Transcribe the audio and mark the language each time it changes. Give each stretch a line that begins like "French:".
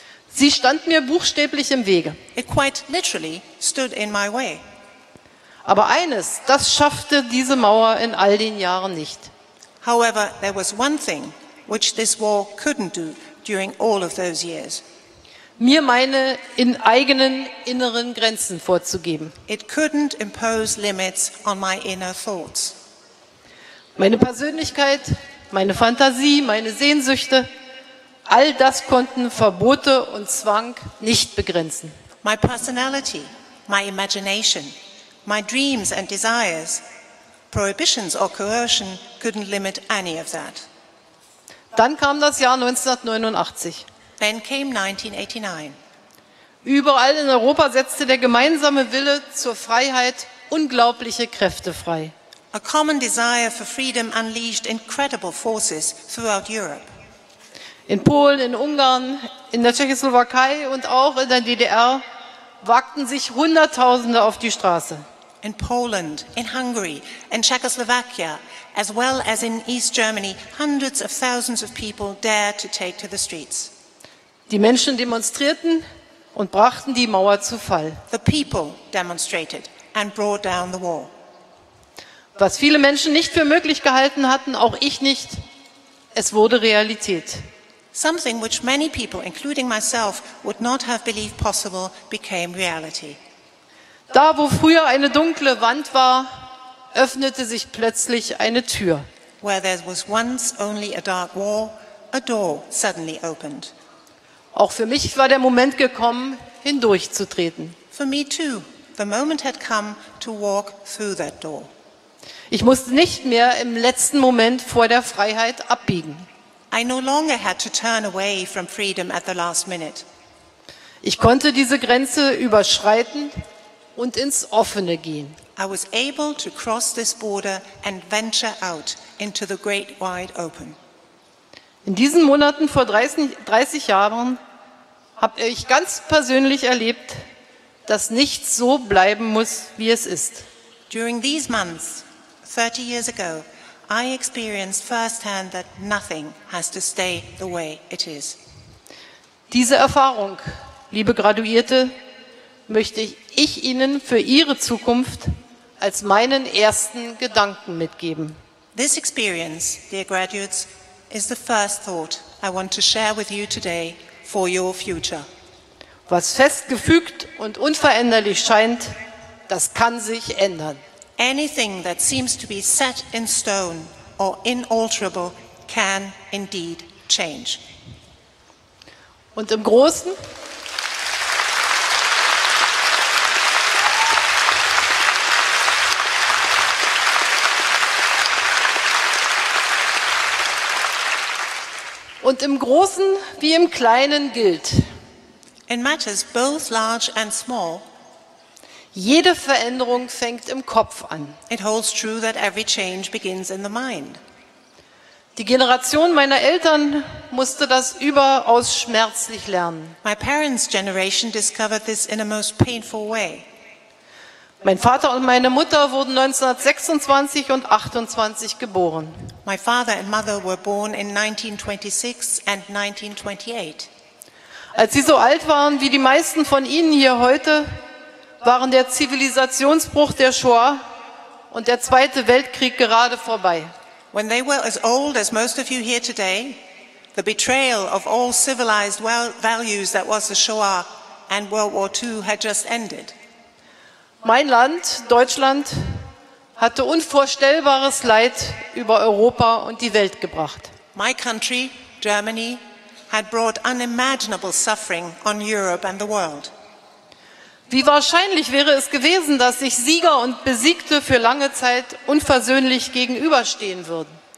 German: Sie stand mir buchstäblich im Wege.
English: It quite literally stood in my way.
German: Aber eines, das schaffte diese Mauer in all den Jahren nicht.
English: However, there was one thing which this wall couldn't do during all of those years.
German: Mir meine in eigenen inneren Grenzen vorzugeben.
English: It couldn't impose limits on my inner thoughts.
German: Meine Persönlichkeit, meine Fantasie, meine Sehnsüchte, all das konnten Verbote und Zwang nicht begrenzen.
English: My personality, my imagination, my dreams and desires, prohibitions or coercion couldn't limit any of that.
German: Dann kam das Jahr 1989.
English: Then came 1989.
German: Überall in Europa setzte der gemeinsame Wille zur Freiheit unglaubliche Kräfte frei.
English: A common desire for freedom unleashed incredible forces throughout Europe.
German: In Polen, in Ungarn, in der Tschechoslowakei und auch in der DDR wagten sich Hunderttausende auf die Straße.
English: In Poland, in Hungary, in Czechoslovakia, as well as in East Germany, hundreds of thousands of people dared to take to the streets.
German: Die Menschen demonstrierten und brachten die Mauer zu Fall.
English: The people demonstrated and brought down the wall.
German: Was viele Menschen nicht für möglich gehalten hatten, auch ich nicht, es wurde Realität.
English: Something which many people, including myself, would not have believed possible, became reality.
German: Da, wo früher eine dunkle Wand war, öffnete sich plötzlich eine Tür.
English: Where there was once only a dark wall, a door suddenly opened.
German: Auch für mich war der Moment gekommen, hindurchzutreten.
English: For me too, the moment had come to walk through that door.
German: Ich musste nicht mehr im letzten Moment vor der Freiheit abbiegen.
English: I no longer had to turn away from freedom at the last minute.
German: Ich konnte diese Grenze überschreiten und ins Offene gehen.
English: I was able to cross this border and venture out into the great wide open.
German: In diesen Monaten vor 30 Jahren habe ich ganz persönlich erlebt, dass nichts so bleiben muss, wie es ist.
English: During these months, 30 years ago, I experienced firsthand that nothing has to stay the way it is.
German: Diese Erfahrung, liebe Graduierte, möchte ich Ihnen für Ihre Zukunft als meinen ersten Gedanken mitgeben.
English: This experience, dear graduates, is the first thought I want to share with you today for your future.
German: Was festgefügt und unveränderlich scheint, das kann sich ändern.
English: Anything that seems to be set in stone or inalterable can indeed change.
German: Und im Großen? Und im Großen wie im Kleinen gilt.
English: In matters both large and small,
German: jede Veränderung fängt im Kopf an.
English: It holds true that every change begins in the mind.
German: Die Generation meiner Eltern musste das überaus schmerzlich lernen.
English: My parents' generation discovered this in a most painful way.
German: Mein Vater und meine Mutter wurden 1926 und 28 geboren.
English: My father and mother were born in 1926 and 1928.
German: Als sie so alt waren wie die meisten von Ihnen hier heute, waren der Zivilisationsbruch der Shoah und der Zweite Weltkrieg gerade vorbei.
English: When they were as old as most of you here today, the betrayal of all civilized values that was the Shoah and World War II had just ended.
German: Mein Land, Deutschland, hatte unvorstellbares Leid über Europa und die Welt gebracht.
English: My country, Germany, had brought unimaginable suffering on Europe and the world.
German: Wie wahrscheinlich wäre es gewesen, dass sich Sieger und Besiegte für lange Zeit unversöhnlich gegenüberstehen würden?